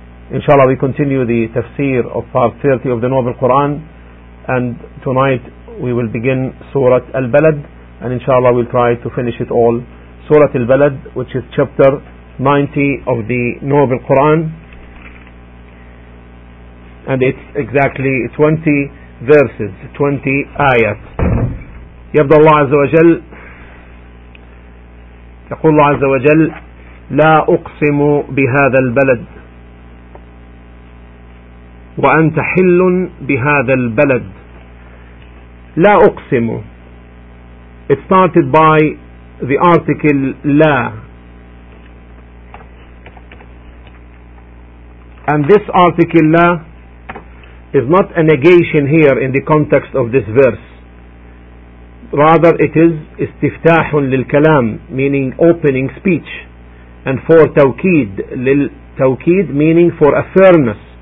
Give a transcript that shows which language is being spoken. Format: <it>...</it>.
<en>Inshallah, we continue the tafsir of part 30 of the Noble Quran, and tonight we will begin Surah Al-Balad, and inshallah we'll try to finish it all. Surah Al-Balad, which is chapter 90 of the Noble Quran, and it's exactly 20 verses, 20 ayat.</en> <ar>يبدأ الله عز وجل يقول الله عز وجل لا أقسم بهذا البلد وأنت حل بهذا البلد. لا أقسم,</ar> <en>it started by the article لا, and this article لا is not a negation here in the context of this verse, rather it is</en> <ar>استفتاح للكلام,</ar> <en>meaning opening speech, and for</en> <ar>توكيد, للتوكيد</ar> <en>meaning for affirmness,</en>